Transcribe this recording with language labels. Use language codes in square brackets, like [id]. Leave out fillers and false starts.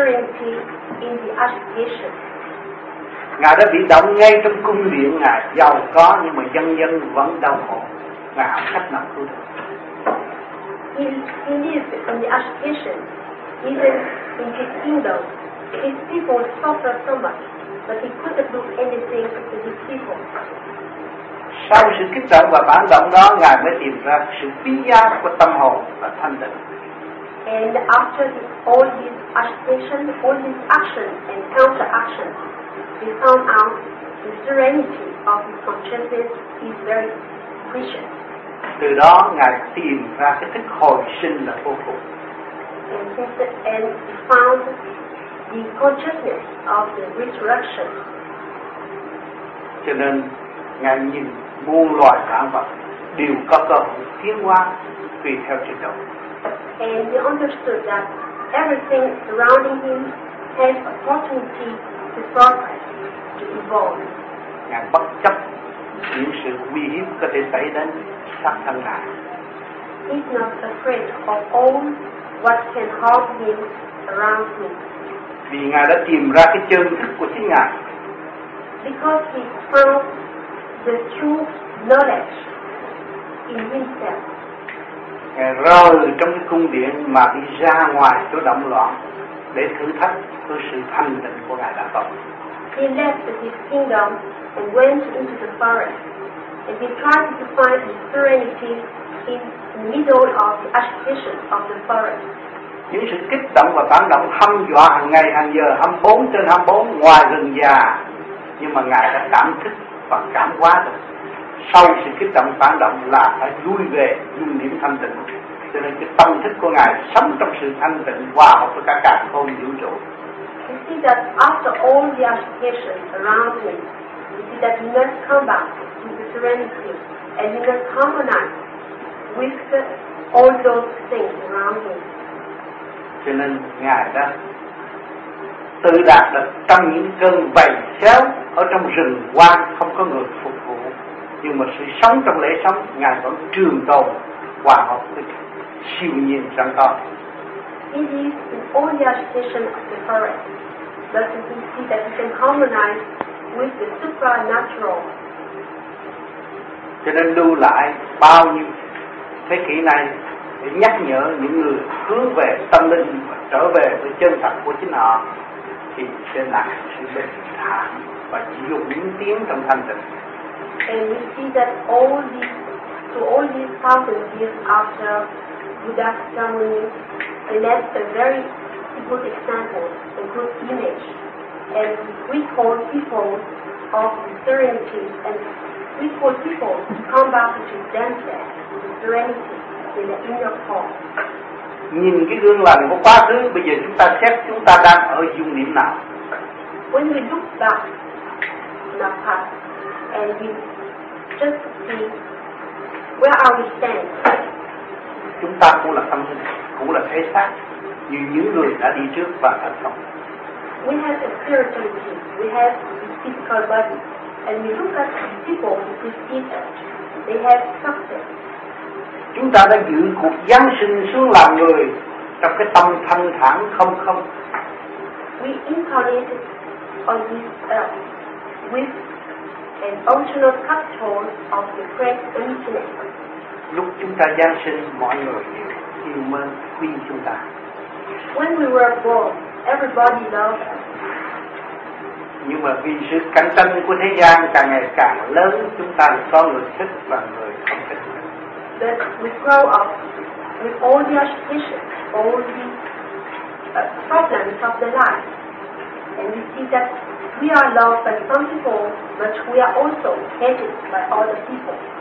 [en] In reality, he found out the serenity in the agitation. [vi] Ngài đã bị động ngay trong cung điện Ngài, giàu có nhưng mà dân dân vẫn đau khổ. là học cách nào tu được. [en] Indeed, in the Archdeacon, even in his kingdom, his people suffered so much, but he couldn't do anything to his people. [vi] Sau sự kích động và phản động đó, Ngài mới tìm ra sự quý giá của tâm hồn và thanh tịnh. [en] And after all his agitation, all his action and counteraction, he found out the serenity of his consciousness is very precious. [vi] Từ đó, Ngài tìm ra cái thức hồi sinh là vô cùng. [en] And he found the consciousness of the resurrection. [vi] Cho nên, Ngài nhìn muôn loài vạn vật đều có cơ hội tiến hóa tùy theo trình độ. [en] And he understood that everything surrounding him has opportunity to progress, to evolve. [vi] Ngài bất chấp những sự nguy hiểm có thể xảy đến sắc thân Ngài. [en] He's not afraid of all what can harm him around him. [vi] Vì Ngài đã tìm ra cái chân thức của chính Ngài. [en] Because he found the true knowledge in himself. [vi] Ngài rời trong cái cung điện mà đi ra ngoài chỗ động loạn để thử thách cái sự thanh tịnh của Ngài Đạo Tông. [en] He left his kingdom and went into the forest and he tried to find his serenity in the middle of the agitation of the forest. [vi] Những sự kích động và phản động hăm dọa hàng ngày hàng giờ 24/24 ngoài rừng già, nhưng mà Ngài đã cảm thức và cảm hóa được. Sau sự kích động phản động là phải lui về những điểm thanh tịnh. Cho nên cái tâm thức của Ngài sống trong sự thanh tịnh hòa hợp với cả càn khôn vũ trụ. [en] You see that after all the agitation around him, you see that he must come back to the serenity and he must harmonize with all those things around him. [vi] Cho nên Ngài đã tự đạt được trong những cơn bầy xéo ở trong rừng hoang không có người phục vụ. Nhưng mà sự sống trong lễ sống, Ngài vẫn trường tồn, hòa hợp với siêu nhiên sáng tạo. [en] It is in all the agitation of the forest, but we see that we can harmonize with the supernatural. [vi] Cho nên lưu lại bao nhiêu thế kỷ này để nhắc nhở những người hướng về tâm linh và trở về với chân thật của chính họ, thì sẽ là sự bình thản và chỉ dùng những tiếng trong thanh tịnh. [en] And we see that all these, to all these thousand years after Buddha's ceremony, he left a very good example, a good image, and we call people of the serenity, and we call people to come back to themselves, to the serenity, in the inner core. [vi] Nhìn cái gương lành của quá khứ, bây giờ chúng ta xét chúng ta đang ở dung điểm nào. [en] When we look back in our past, and we just see where are we standing. [vi] Chúng ta cũng là tâm linh, cũng là thể xác, như những người đã đi trước và thành công. [en] We have a spiritual body, we have a physical body, and we look at the people who preceded us. They have success. [vi] Chúng ta đã giữ cuộc Giáng sinh xuống làm người trong cái tâm thanh thản không không. [en] We incarnate on this earth with an original capital of the great emptiness. [vi] Lúc chúng ta giáng sinh, mọi người yêu mến quý chúng ta. [en] When we were born, everybody loved us. [vi] Nhưng mà vì sự cạnh tranh của thế gian càng ngày càng lớn, chúng ta có người thích và người không thích. [en] But we grow up with all the agitation, all the problems of the life, and we see that we are loved by some people, but we are also hated by other people.